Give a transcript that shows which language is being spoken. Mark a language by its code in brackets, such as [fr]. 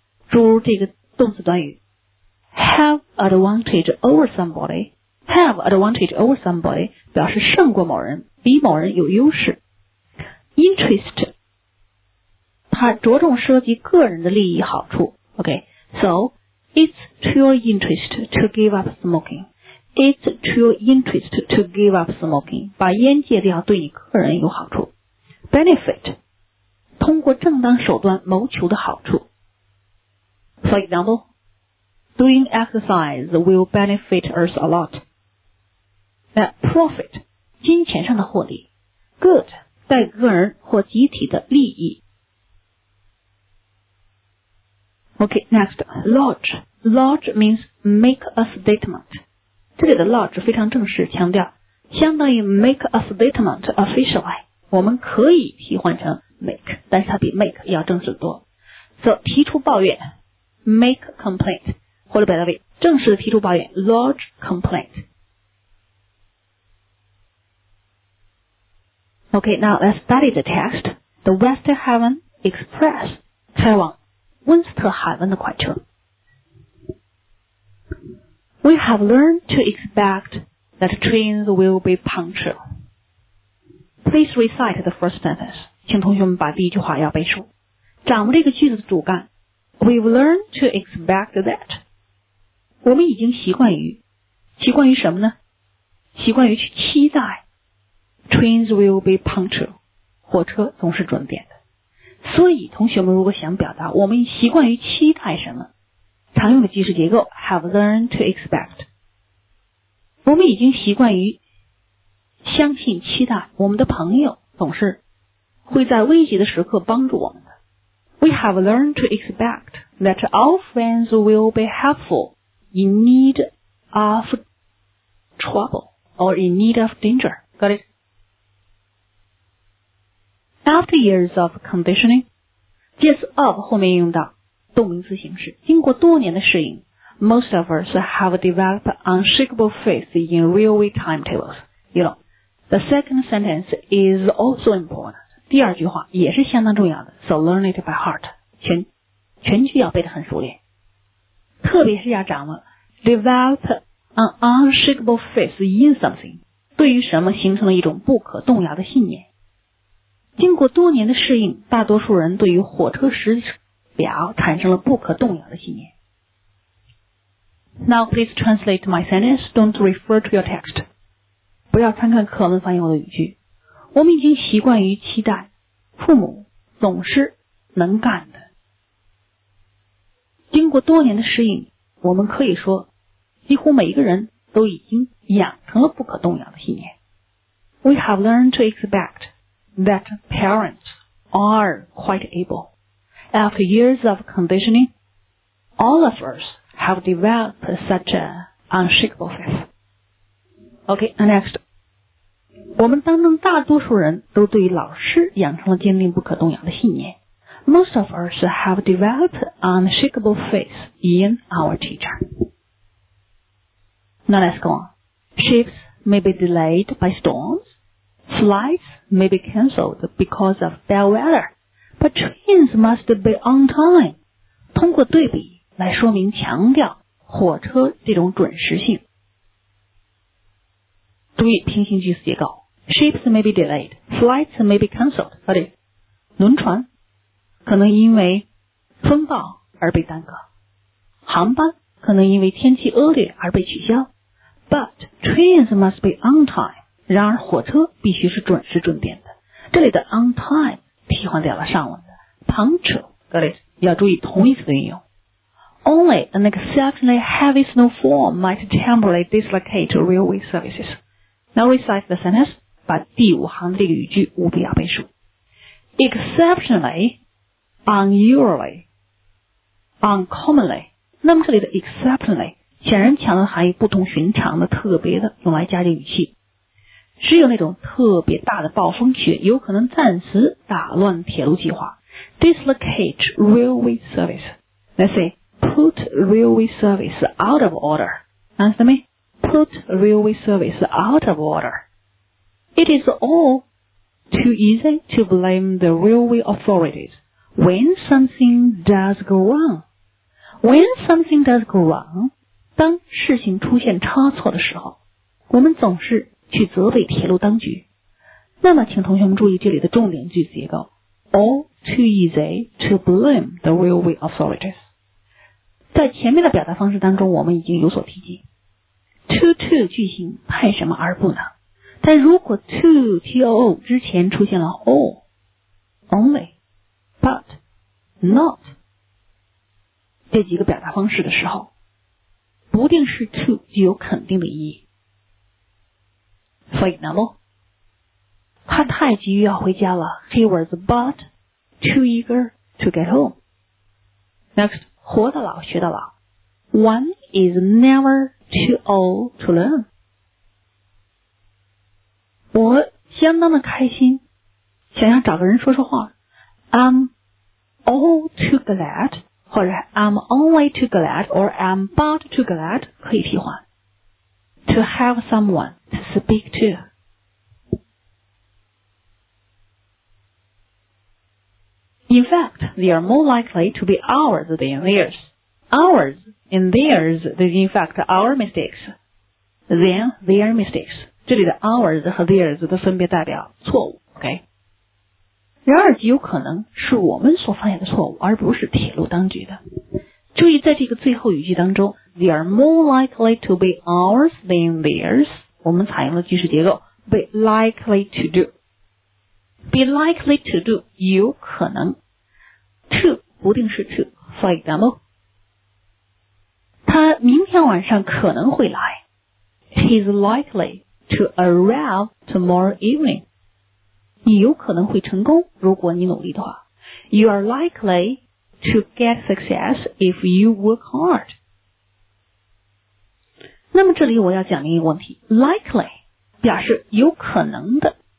[zh] 诸如这个动词短语 [en] Have advantage over somebody， [zh] Have advantage over somebody 表示胜过某人，比某人有优势。 Interest 它着重涉及个人的利益好处。 [en] OK， So It's to your interest to give up smoking. It's to your interest to give up smoking. [zh] 把烟戒掉对你个人有好处。Benefit 通过正当手段谋求的好处。 [en] For example, Doing exercise will benefit us a lot. [zh] Profit 金钱上的获利。Good 带个人或集体的利益。 [en] OK, next, lodge. Lodge means make a statement. [zh] 这里的 lodge 非常正式，强调相当于 [en] make a statement officially. [zh] 我们可以替换成 make, 但是它比 make 要正式多。 So, 提出抱怨 [en] make complaint, [zh] 或者表达为正式的提出抱怨 [en] lodge complaint. OK, now let's study the text. The Western Heaven Express [zh] 开往温斯特海湾的快车。 [en] We have learned to expect that trains will be punctual. Please recite the first sentence. [zh] 请同学们把第一句话要背熟。掌握这个句子的主干。 [en] We've learned to expect that. [zh] 我们已经习惯于什么呢？习惯于去期待 [en] trains will be punctual. [zh] 火车总是准点的。所以同学们如果想表达我们习惯于期待什么，常用的句式结构 [en] have learned to expect， [zh] 我们已经习惯于相信期待我们的朋友总是会在危急的时刻帮助我们的。 [en] We have learned to expect that our friends will be helpful in need of trouble or in need of danger. Got itAfter years of conditioning, [zh] 介词 of 后面用到动名词形式。经过多年的适应， [en] most of us have developed unshakable faith in railway timetables. You know, the second sentence is also important. [zh] 第二句话也是相当重要的， [en] so learn it by heart. [zh] 全句要背得很熟练。特别是要掌握 [en] develop an unshakable faith in something， [zh] 对于什么形成了一种不可动摇的信念。经过多年的适应，大多数人对于火车时表产生了不可动摇的信念。 [en] Now please translate my sentence. Don't refer to your text. [zh] 不要参看课文翻译我的语句。我们已经习惯于期待父母总是能干的。经过多年的适应，我们可以说几乎每一个人都已经养成了不可动摇的信念。 [en] We have learned to expectThat parents are quite able. After years of conditioning, all of us have developed such an unshakable faith. Okay, next. [zh] 我们当中大多数人都对老师养成了坚定不可动摇的信念。 [en] Most of us have developed unshakable faith in our teacher. Now let's go on. Ships may be delayed by storms. Flights may be cancelled because of bad weather, but trains must be on time. [zh] 通过对比来说明强调火车这种准时性。注意平行句子结构。 [en] Ships may be delayed, flights may be cancelled. [zh] 到底轮船可能因为风暴而被耽搁。航班可能因为天气恶劣而被取消。 [en] But trains must be on time. [zh] 然而火车必须是准时准点的。这里的 on time 替换掉了上文的 punctual， 各位要注意同义词的运用。 [en] Only an exceptionally heavy snowfall might temporarily dislocate railway services. Now recite the sentence. [zh] 把第五行的这个语句务必要背熟。 [en] Exceptionally, unusually, uncommonly。 [zh] 那么这里的 exceptionally 显然强调含义不同寻常的、特别的，用来加进语气。只有那种特别大的暴风雪有可能暂时打乱铁路计划。 [en] Dislocate railway service. Let's say, put railway service out of order. Understand me? Put put railway service out of order. It is all too easy to blame the railway authorities when something does go wrong. When something does go wrong, [zh] 当事情出现差错的时候，我们总是去责备铁路当局。那么请同学们注意这里的重点句子结构。 [en] All too easy to blame the railway authorities. [zh] 在前面的表达方式当中我们已经有所提及。 To 句型派什么而不呢？但如果 to 之前出现了 all, [en] only, but, not [zh] 这几个表达方式的时候，不定式 to 具有肯定的意义。所以呢咯，他太急于要回家了。 [en] He was but too eager to get home. [zh] Next, 活到老学到老。 [en] One is never too old to learn. [zh] 我相当的开心，想要找个人说说话。 [en] I'm all too glad, [zh] 或者 [en] I'm only too glad, or I'm but too glad, [zh] 可以替换。 [en] To have someone to speak to. In fact, they are more likely to be ours than theirs. Ours and theirs is in fact our mistakes than their mistakes. [zh] 这里的 ours 和 theirs 都分别代表错误 ,OK? 然而极有可能是我们所犯下的错误而不是铁路当局的。注意在这个最后语句当中 [en] ,they are more likely to be ours than theirs. [zh] 我们采用了句式结构 ,be likely to do. [en] Be likely to do, [zh] 有可能。 To, 不定式 to, [en] for example. [zh] 他明天晚上可能会来。 [en] He's likely to arrive tomorrow evening. [zh] 你有可能会成功如果你努力的话。 [en] You are likely to get success if you work hard. [zh] 那么这里我要讲另一个问题。Likely, 表示有可能的。